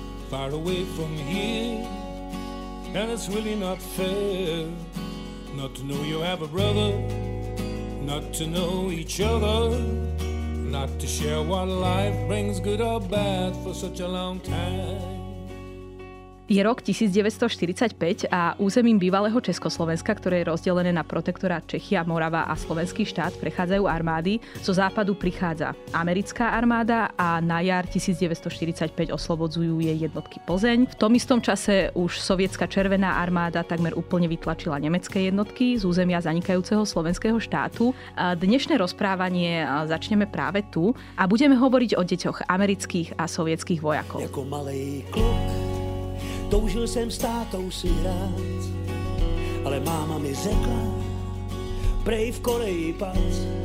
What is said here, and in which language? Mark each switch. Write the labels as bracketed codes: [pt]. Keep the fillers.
[en] Far away from here, and it's really not fair not to know you have a brother. not to know each other, not to share what life brings, good or bad, for such a long time. [sk] Je rok 1945 a územím bývalého Československa, ktoré je rozdelené na protektora Čechia, Morava a Slovenský štát, prechádzajú armády. Zo západu prichádza americká armáda a na jar 1945 oslobodzujú jej jednotky Plzeň. V tom istom čase už sovietská červená armáda takmer úplne vytlačila nemecké jednotky z územia zanikajúceho slovenského štátu. dnešné rozprávanie začneme práve tu a budeme hovoriť o deťoch amerických a sovietských vojakov. [cs] Jako malej klub toužil jsem s tátou si hrát, ale máma mi řekla, prej v koleji pat.